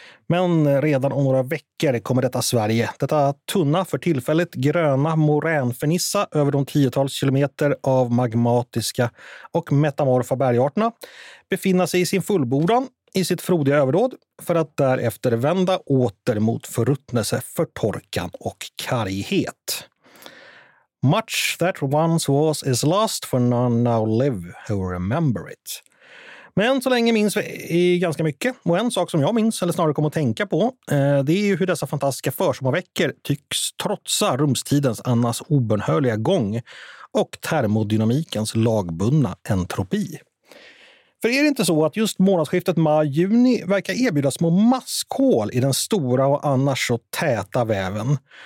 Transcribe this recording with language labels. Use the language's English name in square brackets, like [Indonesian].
[Swedish] Men redan om några veckor kommer detta Sverige, detta tunna för tillfället gröna moränfernissa över de tiotals kilometer av magmatiska och metamorfa bergarterna, befinna sig i sin fullbordan, i sitt frodiga överdåd, för att därefter vända åter mot förruttnelse, förtorkan och karghet. [English] Much that once was is lost, for none now live who remember it. [Swedish] Men så länge minns vi ganska mycket, och en sak som jag minns, eller snarare kommer att tänka på, det är ju hur dessa fantastiska försommarveckor tycks trotsa rumstidens annars obönhörliga gång och termodynamikens lagbundna entropi. För är det inte så att just månadsskiftet maj-juni verkar erbjuda små maskhål i den stora och annars så täta väven?